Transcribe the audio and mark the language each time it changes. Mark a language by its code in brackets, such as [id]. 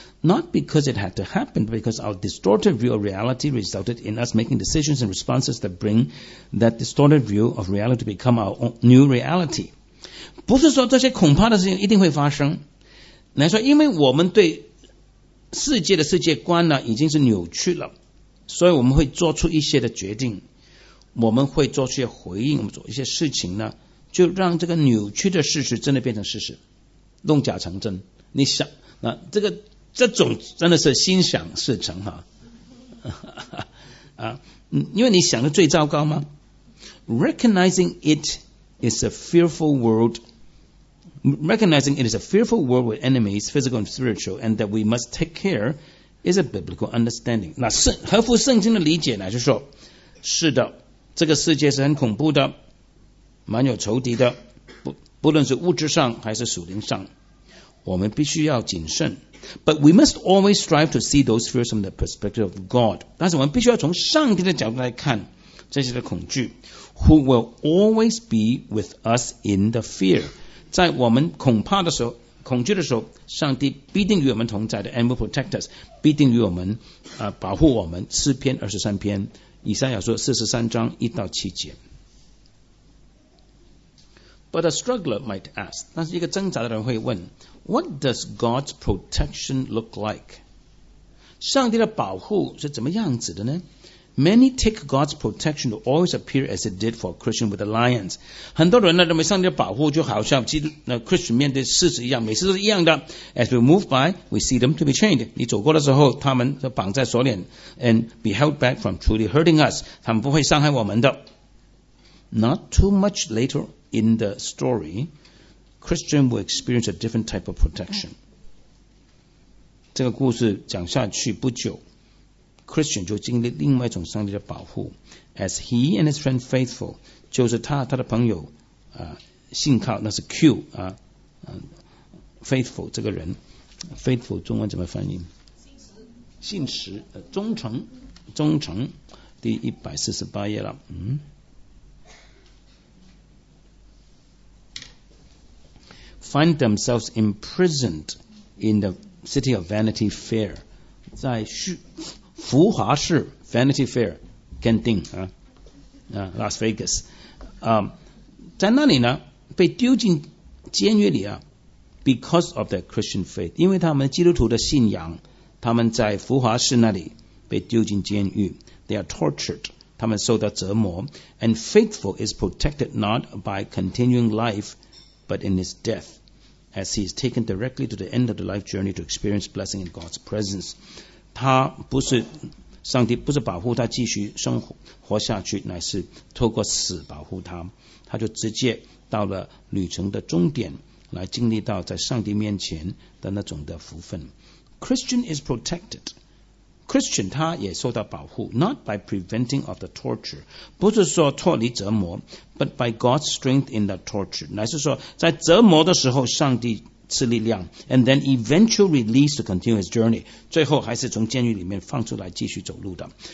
[en] ，not because it had to happen, but because our distorted view of reality resulted in us making decisions and responses that bring that distorted view of reality to become our new reality. [zh] 不是说这些恐怕的事情一定会发生来说因为我们对世界的世界观呢已经是扭曲了所以我们会做出一些的决定我们会做出一些回应我们做一些事情呢就让这个扭曲的事实真的变成事实弄假成真你想那这个这种真的是心想事成哈因为你想的最糟糕吗 [en] Recognizing itIt's a fearful world. Recognizing it is a fearful world with enemies, physical and spiritual, and that we must take care is a biblical understanding. [zh] 那合乎圣经的理解呢？就是说，是的，这个世界是很恐怖的，蛮有仇敌的，不论是物质上还是属灵上，我们必须要谨慎。 [en] But we must always strive to see those fears from the perspective of God. [zh] 但是我们必须要从上帝的角度来看。这些的恐惧 [en] Who will always be with us in the fear [zh] 在我们恐怕的时候恐惧的时候上帝必定与我们同在的 And will protect us 必定与我们保护我们诗篇二十三篇以赛亚书四十三章一到七节 [en] But a struggler might ask [zh] 但是一个挣扎的人会问 [en] What does God's protection look like [zh] 上帝的保护是怎么样子的呢 [en] Many take God's protection to always appear as it did for a Christian with the lions. [zh] 很多人呢认为上帝的保护就好像基督那 Christian 面对狮子一样，每次都是一样的。 [en] As we move by, we see them to be chained. [zh] 你走过的时候，他们就绑在锁链 ， and be held back from truly hurting us. 他们不会伤害我们的。 [en] Not too much later in the story, Christian will experience a different type of protection. [zh] 这个故事讲下去不久。 Christian 就经历另外一种上帝的保护 [en] as he and his friend faithful [zh] 就是他的朋友信靠那是 Q faithful 这个人 faithful 中文怎么翻译信实忠诚第148页了 [en] find themselves imprisoned in the city of Vanity Fair. [zh] 在浮华市 Vanity Fair 肯定、Las Vegas、在那里呢被丢进监狱里、 Because of their Christian faith，因为他们基督徒的信仰，他们在浮华市那里被丢进监狱。 They are tortured，他们受到折磨。 [en] And faithful is protected not by continuing life but in his death as he is taken directly to the end of the life journey to experience blessing in God's presence。 [zh] 他不是上帝不是保护他继续生活下去，乃是透过死保护他，他就直接到了旅程的终点，来经历到在上帝面前的那种的福分。 Christian is protected， Christian 他也受到保护， not by preventing of the torture，不是说脱离折磨， but by God's strength in the torture，乃是说在折磨的时候上帝赐力量， and then eventual release to continue his journey，最后还是从监狱里面放出来继续走路的。